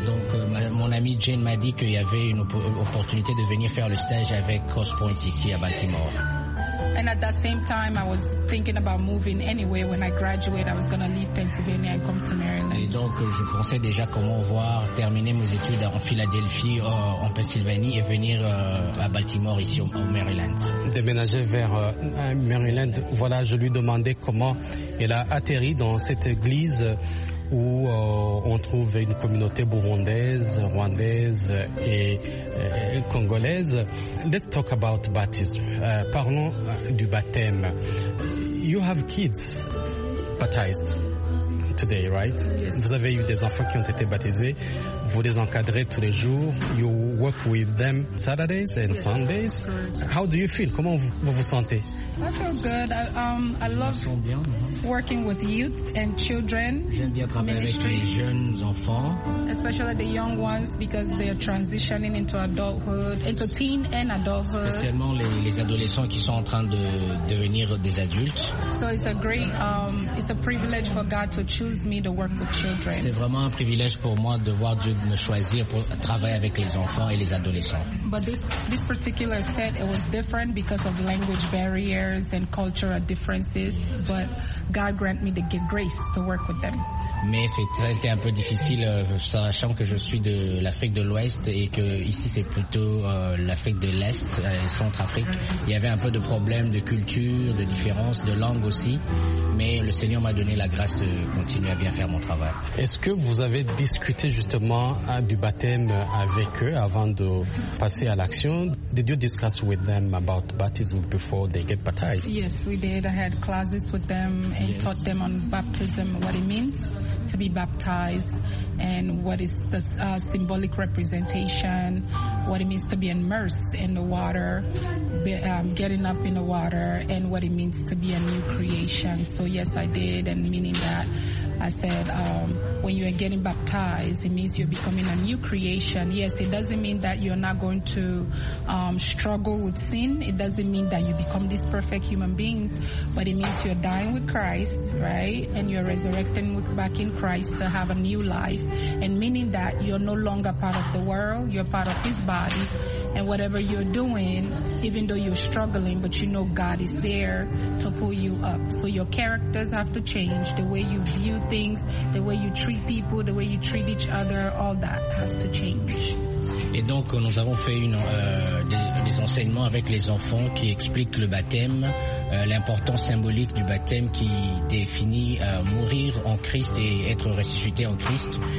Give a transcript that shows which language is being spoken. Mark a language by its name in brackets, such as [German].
[French] Donc mon amie Jane m'a dit qu'il y avait une opportunité de venir faire le stage avec Cross Point ici à Baltimore. [English] And at that same time, I was thinking about moving anyway. When I graduate, I was going to leave Pennsylvania and come to Maryland. [French] Et donc, je pensais déjà comment voir terminer mes études en Philadelphie, en Pennsylvanie, et venir à Baltimore, ici, au Maryland. Déménager vers Maryland. Voilà, je lui demandais comment elle a atterri dans cette église où on trouve une communauté burundaise, rwandaise et congolaise. [English] Let's talk about baptism. [French] Parlons du baptême. [English] You have kids baptized today, right? Yes. [French] Vous avez eu des enfants qui ont été baptisés. Vous les encadrez tous les jours. [English] You work with them Saturdays and yes, Sundays. Correct. How do you feel? [French] Comment vous vous sentez? [English] I feel good. I love working with youth and children. [French] J'aime bien travailler avec les jeunes enfants. [English] Especially the young ones because they are transitioning into adulthood, into teen and adulthood. [French] Spécialement les adolescents qui sont en train de devenir des adultes. [English] So it's a great, it's a privilege for God to choose me to work with children. [French] C'est vraiment un privilège pour moi de voir Dieu me choisir pour travailler avec les enfants et les adolescents. [English] But this particular set, it was different because of language barrier. And cultural differences, but God grant me the grace to work with them. [French] Mais c'était un peu difficile, sachant que je suis de l'Afrique de l'Ouest et que ici c'est plutôt l'Afrique de l'Est, Centrafrique. Il y avait un peu de problèmes de culture, de différences, de langue aussi. Mais le Seigneur m'a donné la grâce de continuer à bien faire mon travail. Est-ce que vous avez discuté justement du baptême avec eux avant de passer à l'action? [English] Did you discuss with them about baptism before they get baptized? Yes, we did. I had classes with them and yes, taught them on baptism, what it means to be baptized, and what is the symbolic representation, what it means to be immersed in the water, getting up in the water, and what it means to be a new creation. So yes, I did, and meaning that I said, when you are getting baptized, it means you're becoming a new creation. Yes, it doesn't mean that you're not going to struggle with sin. It doesn't mean that you become this perfect human being, but it means you're dying with Christ, right? And you're resurrecting back in Christ to have a new life. And meaning that you're no longer part of the world, you're part of His body. And whatever you're doing, even though you're struggling, but you know God is there to pull you up. So your characters have to change, the way you view things, the way you treat people, the way you treat each other, all that has to change. [French] Et donc, nous avons fait des enseignements avec les enfants qui expliquent le baptême, l'importance symbolique du baptême qui définit mourir en Christ et être ressuscité en Christ.